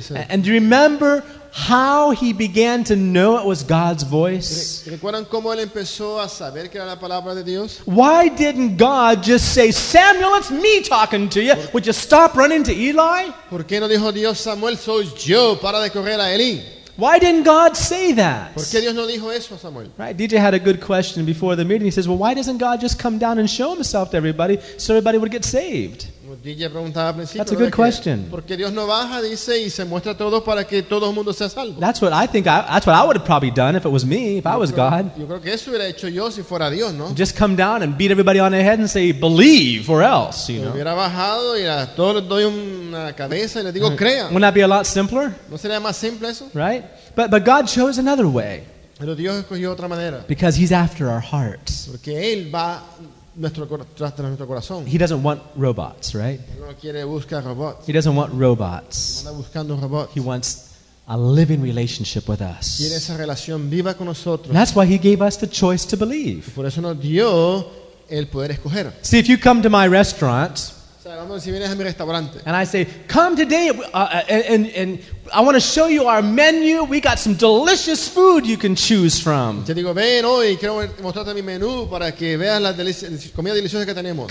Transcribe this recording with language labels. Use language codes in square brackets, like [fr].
[en] And do you remember how he began to know it was God's voice? [es] ¿Recuerdan cómo él empezó a saber que era la palabra de Dios? [en] Why didn't God just say, Samuel, it's me talking to you. Would you stop running to Eli? [es] ¿Por qué no dijo Dios, Samuel, soy yo, para de correr a Eli? [en] Why didn't God say that? [es] ¿Por qué Dios no dijo eso a Samuel? [en] Right, DJ had a good question before the meeting. He says, well, why doesn't God just come down and show himself to everybody so everybody would get saved? That's a good question. [es] Porque Dios no baja, dice, y se muestra todo para que todo el mundo sea salvo. [en] That's what I think. That's what I would have probably done if it was me, if I was God. [es] Yo creo que eso hubiera hecho yo si fuera Dios, ¿no? [en] Just come down and beat everybody on the head and say, believe, or else, you know. [es] Hubiera bajado y a todos les doy una cabeza y les digo, crea. [en] Wouldn't that be a lot simpler? [es] ¿No sería más simple eso? [en] Right? But God chose another way. [es] Pero Dios escogió otra manera. [en] Because He's after our hearts. [es] Porque Él va nuestro corazón. [en] He doesn't want robots, right? [es] No quiere buscar robots. [en] He doesn't want robots. [es] No anda buscando robots. [en] He wants a living relationship with us. [es] Quiere esa relación viva con nosotros. [en] That's why he gave us the choice to believe. [es] Por eso nos dio el poder escoger. [en] See, if you come to my restaurant, [es] si vienes a mi restaurante, [en] and I say, come today, and I want to show you our menu. We got some delicious food you can choose from. [es] Te digo, ven hoy, quiero mostrarte mi menú para que veas la comida deliciosa que tenemos.